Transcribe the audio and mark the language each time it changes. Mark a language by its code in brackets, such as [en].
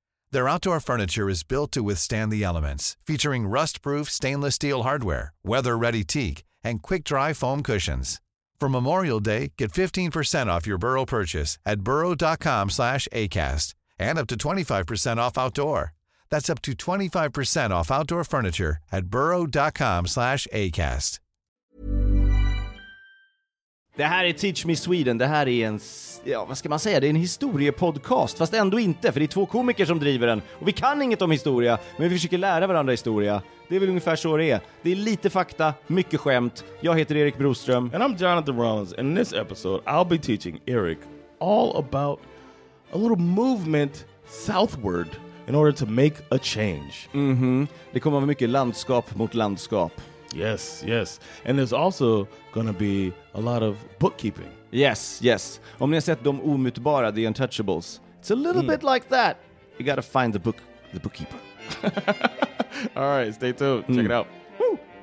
[en] Their outdoor furniture is built to withstand the elements, featuring rust-proof stainless steel hardware, weather-ready teak, and quick-dry foam cushions. For Memorial Day, get 15% off your Burrow purchase at burrow.com/acast, and up to 25% off outdoor. That's up to 25% off outdoor furniture at burrow.com/acast. [sv] Det här är Teach Me Sweden, det här är en, ja vad ska man säga, det är en historiepodcast, fast ändå inte, för det är två komiker som driver den. Och vi kan inget om historia, men vi försöker lära varandra historia. Det är väl ungefär så det är. Det är lite fakta, mycket skämt. Jag heter Erik Broström. [en] And I'm Jonathan Rollins. In this episode I'll be teaching Eric all about a little movement southward in order to make a change. Mm-hmm. [sv] Det kommer vara mycket landskap mot landskap. [en] Yes, yes. And there's also going to be a lot of bookkeeping. Yes, yes. [sv] Om ni har sett De Omutbara, The Untouchables. [en] It's a little bit like that. You got to find the bookkeeper. All right, stay tuned. Check it out. Woo!